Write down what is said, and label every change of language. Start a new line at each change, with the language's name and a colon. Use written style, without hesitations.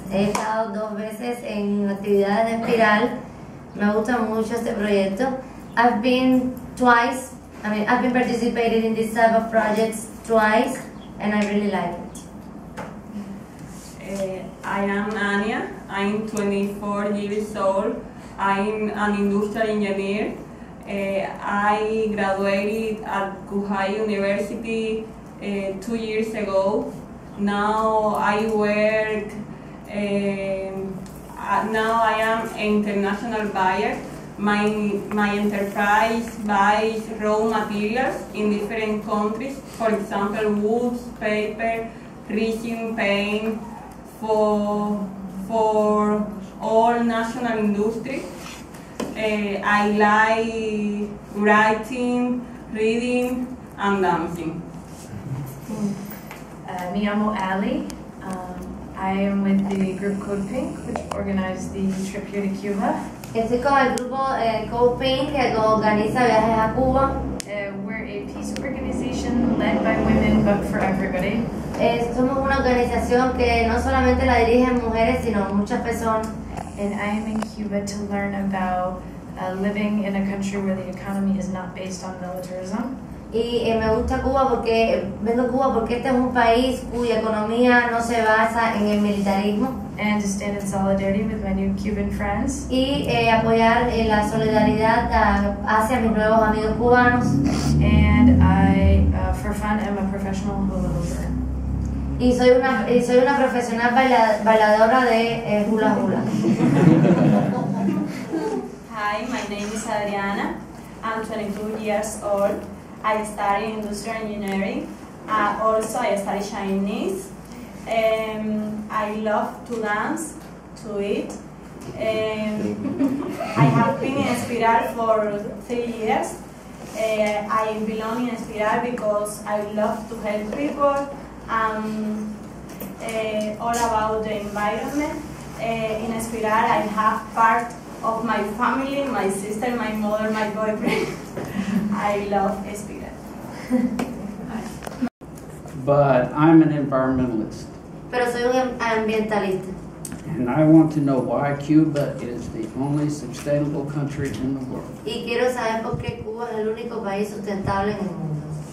Spanish: He estado dos veces en actividades de espiral. Me gusta mucho este proyecto.
English: I've been participated in this type of projects twice, and I really like it. I am Anya. I'm 24 years old. I'm an industrial engineer. I graduated at Kuhai University 2 years ago. Now I work. Now I am an international buyer. My enterprise buys raw materials in different countries. For example, wood, paper, resin, paint. For all national industries, I like writing, reading, and dancing.
Spanish: Me llamo Ali.
English: I am with the group Code Pink, which organized the trip here to Cuba.
Spanish: Estoy con el grupo Code Pink, que organiza viajes a Cuba.
English: We're a peace organization led by women, but for everybody.
Spanish: Somos una organización que no solamente la dirigen mujeres, sino muchas personas.
English: And I am in Cuba to learn about living in a country where the economy is not based on militarism.
Spanish: Y me gusta Cuba porque vengo a Cuba porque este es un país cuya economía no se basa en el militarismo.
English: And to stand in solidarity with my new Cuban friends.
Spanish: Y apoyar la solidaridad hacia mis nuevos amigos cubanos.
English: And I, for fun, am a professional hula hooper.
Spanish: Y soy una profesional bailadora de hula hula.
English: Hi, my name is Adriana. I'm 22 years old. I study industrial engineering. Also, I study Chinese. I love to dance, to eat. I have been in Espiral for 3 years. I belong in Espiral because I love to help people. All about the environment. In Espiral, I have part of my family, my sister, my mother, my boyfriend. I love Espiral. But I'm an environmentalist.
Spanish: Pero soy un ambientalista.
English: And I want to know why Cuba is the only sustainable country in the world.
Spanish: Y quiero saber por qué Cuba es el único país sustentable en el mundo.